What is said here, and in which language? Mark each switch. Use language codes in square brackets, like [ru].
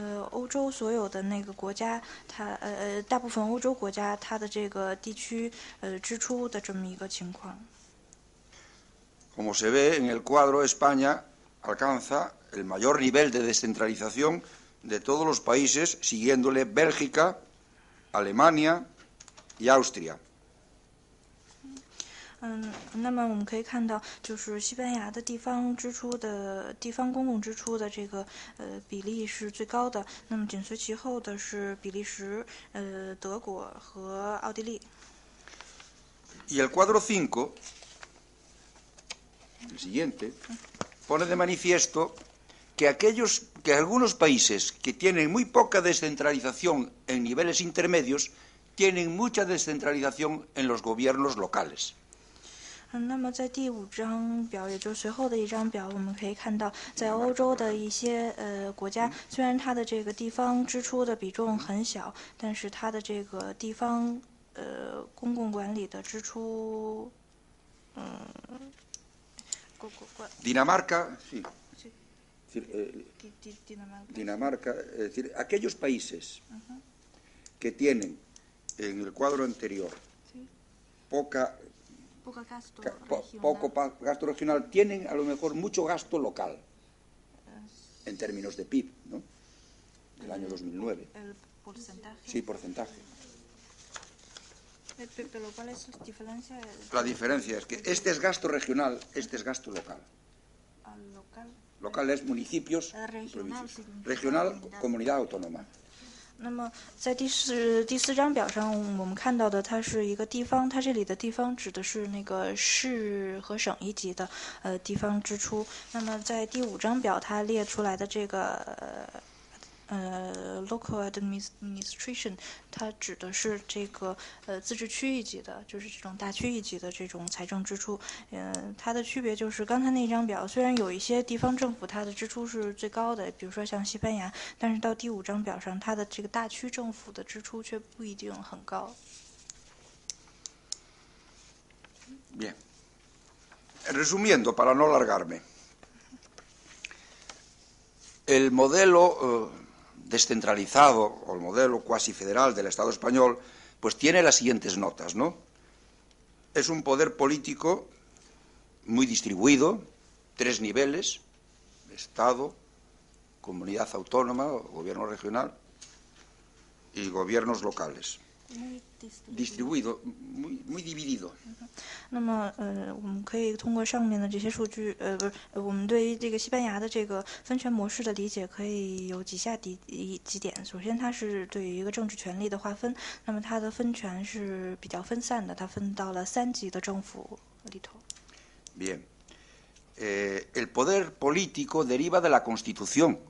[zh] 欧洲所有的那个国家，它大部分欧洲国家它的这个地区支出的这么一个情况。 [es] Como se ve en el cuadro, España alcanza el mayor nivel de descentralización de todos los países, siguiéndole Bélgica, Alemania y Austria. [zh] 那么我们可以看到，就是西班牙的地方公共支出的这个比例是最高的，那么紧随其后的是比利时、德国和奥地利。 [es] Y el cuadro 5, el siguiente, pone de manifiesto que algunos países que tienen muy poca descentralización en niveles intermedios tienen mucha descentralización en los gobiernos locales. [zh] 那么在第五张表，也就是随后的一张表，我们可以看到，在欧洲的一些国家，虽然它的这个地方支出的比重很小，但是它的这个地方公共管理的支出， [es] Dinamarca, sí. Sí. Dinamarca, es decir, aquellos países que tienen en el cuadro anterior poco gasto regional tienen a lo mejor mucho gasto local en términos de PIB, ¿no? Del año 2009. ¿El porcentaje? Sí, porcentaje. ¿Pero cuál es la diferencia? La diferencia es que este es gasto regional, este es gasto local. Local es municipios, provincias. Regional, comunidad autónoma. [zh] 那么在第四张表上我们看到的它是一个地方，它这里的地方指的是那个市和省一级的地方支出。那么在第五张表它列出来的这个 [en] local administration， [zh] 它指的是这个自治区一级的，就是这种大区一级的这种财政支出。它的区别就是刚才那张表，虽然有一些地方政府它的支出是最高的，比如说像西班牙，但是到第五张表上，它的这个大区政府的支出却不一定很高。 [es] Bien. Resumiendo, para no alargarme, el modelo descentralizado o el modelo cuasi federal del Estado español, pues tiene las siguientes notas, ¿no? Es un poder político muy distribuido, tres niveles, Estado, comunidad autónoma, gobierno regional y gobiernos locales. Distribuido, muy dividido. [zh] 那么我们可以通过上面的这些数据我们对于这个西班牙的这个分权模式的理解可以有几下几点。首先它是对于一个政治权力的划分，那么它的分权是比较分散的，它分到了三级的政府里头。 [es] Bien. El poder político deriva de la Constitución.